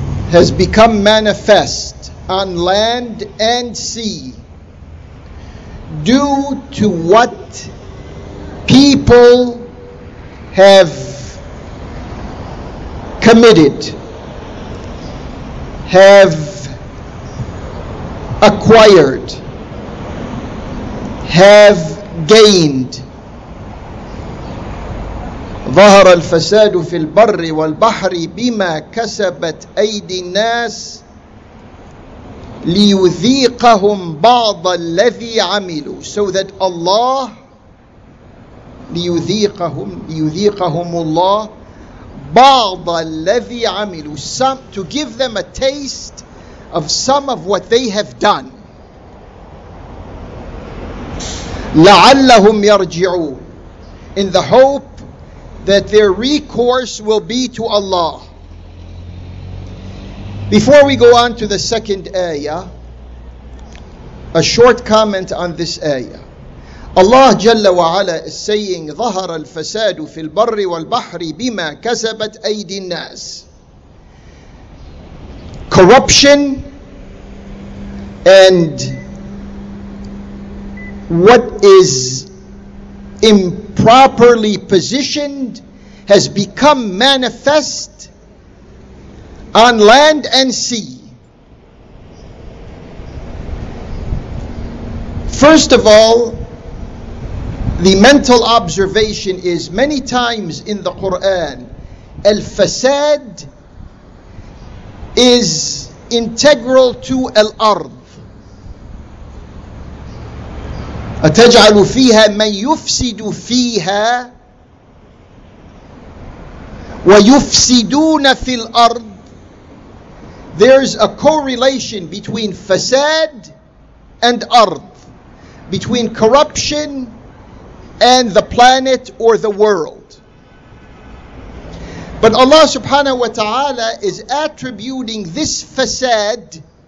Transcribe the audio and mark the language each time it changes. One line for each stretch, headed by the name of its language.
English: has become manifest on land and sea due to what people have committed, have acquired, have gained.
Arabic: ظهر الفساد في البر والبحر بما كسبت أيدي الناس ليذيقهم بعض الذي عملوا.
English: So that Allah,
Arabic: ليذيقهم الله بعض الذي عملوا,
English: some, to give them a taste of some of what they have done.
Arabic: لعلهم يرجعون,
English: in the hope that their recourse will be to Allah. Before we go on to the second ayah, a short comment on this ayah. Allah Jalla wa Ala is saying,
Arabic: ظهر الفساد في البر والبحر بما كسبت أيدي الناس.
English: Corruption and what is improperly positioned has become manifest on land and sea. First of all, the mental observation is many times in the Quran, al-fasad is integral to al-ard.
Arabic: أتجعل فيها من يفسد فيها ويفسدون في الأرض.
English: There's a correlation between fasad and ard, between corruption and the planet or the world. But Allah subhanahu wa ta'ala is attributing this fasad